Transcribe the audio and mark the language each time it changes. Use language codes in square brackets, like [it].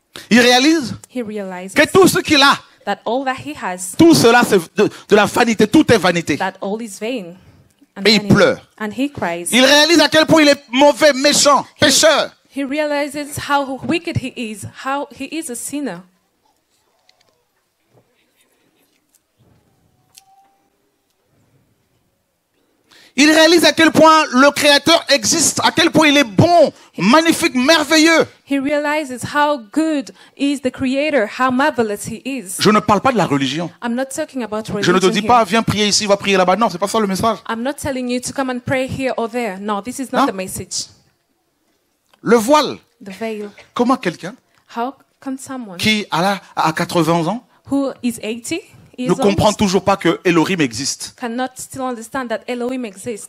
[fr] Il réalise que tout ce qu'il a, [en] that all that he has, [fr] tout cela c'est de la vanité, tout est vanité. [en] That all is vain and [fr] et il pleure. [en] And he cries. [fr] Il réalise à quel point il est mauvais, méchant, pécheur. [en] He realizes how wicked he is, how he is a sinner. [fr] Il réalise à quel point le Créateur existe, à quel point il est bon, magnifique, merveilleux. [en] He realizes how good is the Creator, how marvelous he is. [fr] Je ne parle pas de la religion. [en] I'm not talking about religion. [fr] Je ne te dis [en] here. [fr] Pas, viens prier ici, va prier là-bas. Non, c'est pas ça le message. [en] I'm not telling you to come and pray here or there. No, this is not the message. [fr] Le voile. [en] The veil. [fr] Comment quelqu'un? [en] How can someone? [fr] Qui a 80 ans? [en] Who is 80? [fr] Ne comprend toujours pas que Elohim existe. [en] Cannot still understand that Elohim exists.